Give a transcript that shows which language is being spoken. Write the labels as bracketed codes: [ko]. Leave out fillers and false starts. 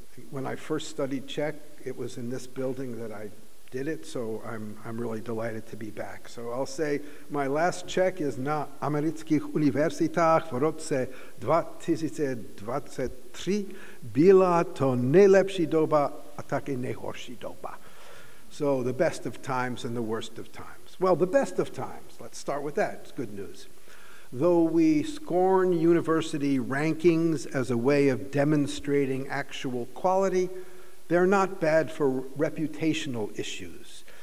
[en] When I first studied Czech, it was in this building that I did it, so I'm really delighted to be back. So I'll say my last Czech is [cs] na amerických univerzitách v roce 2023. Byla to nejlepší doba a také nejhorší doba. [en] So the best of times and the worst of times. Well, the best of times. Let's start with that. It's good news. Though we scorn university rankings as a way of demonstrating actual quality, they're not bad for reputational issues.